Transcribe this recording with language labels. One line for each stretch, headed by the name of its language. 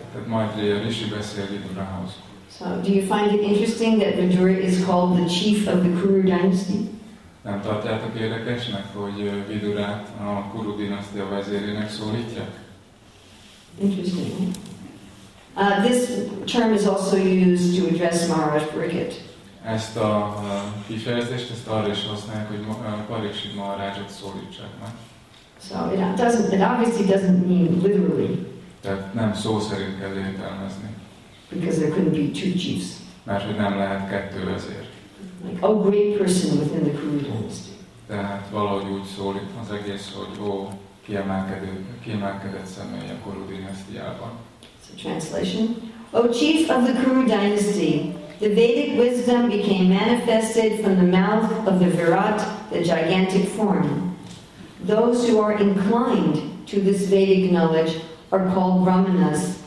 Hungarian: That Maitreya Rishi beszél Vidurához.
English: So, do you find it interesting that Vidura is called the chief of the Kuru dynasty?
Hungarian: Nem tartjátok érdekesnek, hogy Vidurát a Kuru dinasztia vezérének szólítják?
English: Interesting. This term is also used to address Maharaj Pariksit.
Hungarian: Ezt a kifejezést, ezt arra is használják, hogy Pariksit Maharajot szólítsák meg.
English: So it obviously doesn't mean literally.
Hungarian: Tehát nem szó szerint kell értelmezni.
English: Because there couldn't be two chiefs.
Hungarian: Mert hogy nem lehet kettő ezért.
English: Like, oh, great person within the Kuru dynasty.
Hungarian: Tehát valahogy úgy szólít az egész, hogy ó, kiemelkedett személy a Kuru dinasztiában.
English: So translation. Oh, chief of the Kuru dynasty. The Vedic wisdom became manifested from the mouth of the Virat, the gigantic form. Those who are inclined to this Vedic knowledge are called Brahmanas.